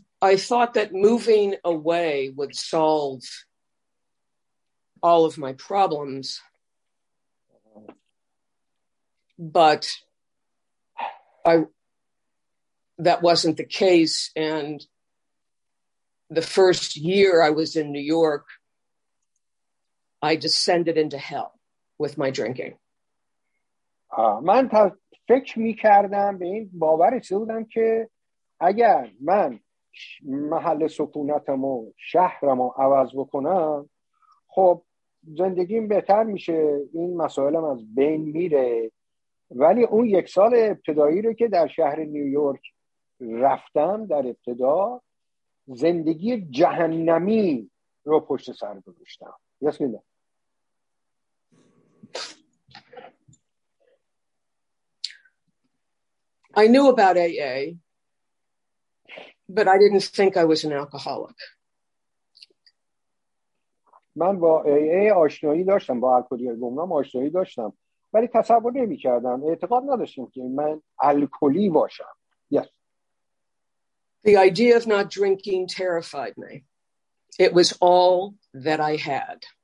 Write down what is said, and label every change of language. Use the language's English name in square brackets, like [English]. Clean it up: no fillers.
[English] I thought that moving away would solve all of my problems, but that wasn't the case. And the first year I was in New York, I descended into hell with my drinking. [Persian] من فکر میکردم به این باورش بودم که اگر من محل سکونتم و شهرم رو عوض بکنم خب زندگیم بهتر میشه، این مسائلم از بین میره. ولی اون یک سال ابتدایی رو که در شهر نیویورک رفتم، در ابتدا زندگی جهنمی رو پشت سر گذاشتم. یاس می دونم. [English] I knew about AA, but I didn't think I was an alcoholic. [Persian] من با AA آشنایی داشتم، با الکلی گمنام آشنایی داشتم، ولی تصور نمی کردم، اعتقاد نداشتم که من الکلی باشم. [English] Yes. The idea of not drinking terrified me. It was all that I had.